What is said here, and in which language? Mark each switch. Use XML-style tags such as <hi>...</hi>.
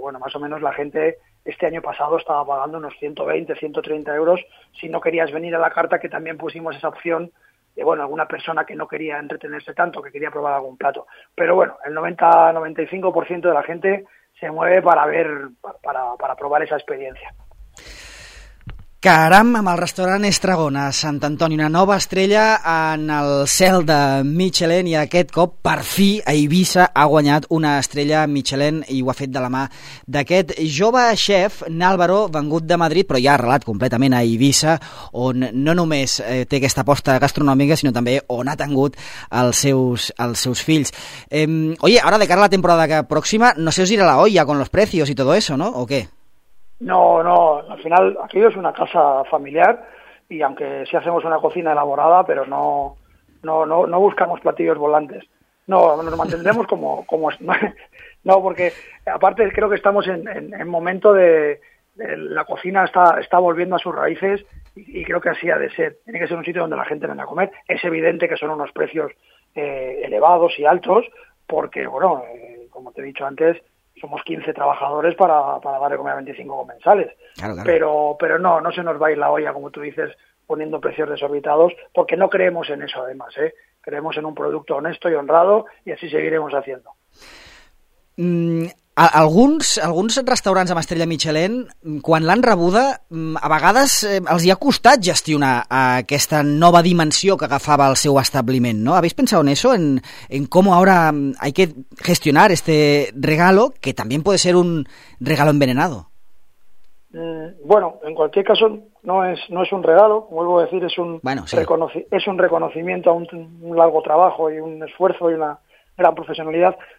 <es>Bueno, más o menos la gente este año pasado estaba pagando unos 120, 130 euros si no querías venir a la carta, que también pusimos esa opción de, bueno, alguna persona que no quería entretenerse tanto, que quería probar algún plato. Pero bueno, el 90-95% de la gente se mueve para probar esa experiencia.</es> <ca>Caram, amb el restaurant Estragon a Sant Antoni, una nova estrella en el cel de Michelin, i aquest cop, per fi, a Eivissa ha guanyat una estrella Michelin i ho ha fet de la mà d'aquest jove chef, n'Álvaro, vengut de Madrid, però ja ha arrelat completament a Eivissa, on no només té aquesta aposta gastronòmica, sinó també on ha tingut els seus fills.</ca> <es>Oye, ahora de cara a la temporada que próxima, no sé si irá la olla con los precios y todo eso, ¿no? ¿O qué? No, al final aquello es una casa familiar y aunque sí hacemos una cocina elaborada, pero no buscamos platillos volantes. No, nos mantendremos como es. No, porque aparte creo que estamos en momento de la cocina está volviendo a sus raíces y creo que así ha de ser. Tiene que ser un sitio donde la gente venga a comer. Es evidente que son unos precios elevados y altos porque, bueno, como te he dicho antes, somos 15 trabajadores para dar de comer a 25 comensales. Claro. Pero no se nos va a ir la olla, como tú dices, poniendo precios desorbitados, porque no creemos en eso, además, ¿eh? Creemos en un producto honesto y honrado y así seguiremos haciendo.</es> <ca>Alguns restaurants amb estrella Michelin, quan l'han rebuda, a vegades els hi ha costat gestionar aquesta nova dimensió que agafava el seu establiment, ¿no?</ca> <es>¿Habéis pensado en eso? ¿En cómo ahora hay que gestionar este regalo, que también puede ser un regalo envenenado? Bueno, en cualquier caso no es un regalo, vuelvo a decir, es un reconocimiento a un largo trabajo y un esfuerzo y una gran profesionalidad.</es>